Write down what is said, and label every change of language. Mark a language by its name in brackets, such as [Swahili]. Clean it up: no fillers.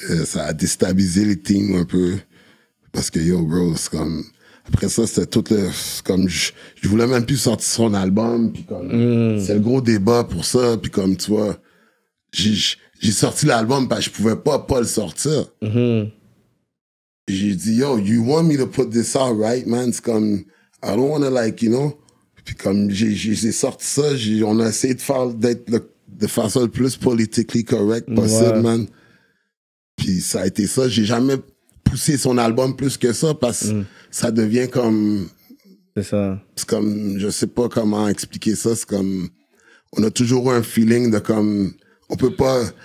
[French] Ça a déstabilisé les teams un peu, parce que yo, bro, c'est comme... Après ça, c'était tout le... Comme je voulais même plus sortir son album, puis comme... Mm. C'est le gros débat pour ça, puis comme, tu vois, j'ai sorti l'album parce que je pouvais pas le sortir. Mm-hmm. J'ai dit, [English] yo, you want me to put this out, right, man? [French] C'est comme, [English] I don't wanna, like, you know... [French] Puis comme j'ai sorti ça, on a essayé de faire faire ça le plus [English] politically correct [French] possible, ouais. Man. Puis ça a été ça. J'ai jamais poussé son album plus que ça parce que ça devient comme... C'est ça. C'est comme, je sais pas comment expliquer ça. C'est comme, on a toujours eu un feeling de comme, on peut pas...